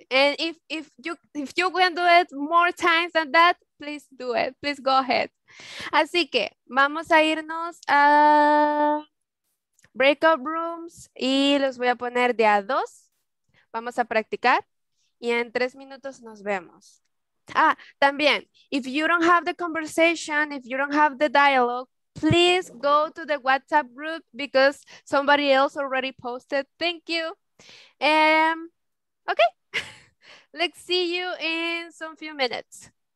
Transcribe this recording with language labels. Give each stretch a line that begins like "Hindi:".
English: And if you can do it more times than that, please do it. Please go ahead.
Spanish: Así que vamos a irnos a breakout rooms y los voy a poner de a 2. Vamos a practicar y en 3 minutos nos vemos.
English: Ah, también, if you don't have the conversation, if you don't have the dialogue, please go to the WhatsApp group because somebody else already posted. Thank you. Okay, let's see you in some few minutes.